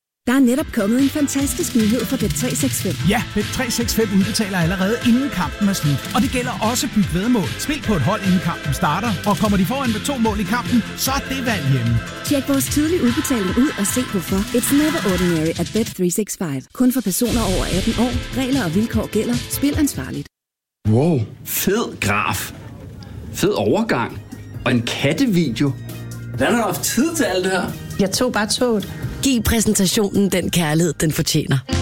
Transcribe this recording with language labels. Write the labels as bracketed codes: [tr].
[da] Der er netop kommet en fantastisk nyhed fra Bet365. Ja, Bet365 udbetaler allerede inden kampen er slut. Og det gælder også byg vedmål. Spil på et hold, inden kampen starter. Og kommer de foran med 2 mål i kampen, så er det valg hjemme. Tjek vores tidlige udbetaling ud og se hvorfor. [en] It's never ordinary at Bet365. [da] Kun for personer over 18 år. Regler og vilkår gælder. Spil ansvarligt. Wow, fed graf. Fed overgang. Og en kattevideo. Hvad har du haft tid til alt det her? Jeg tog bare toget. Giv præsentationen den kærlighed, den fortjener.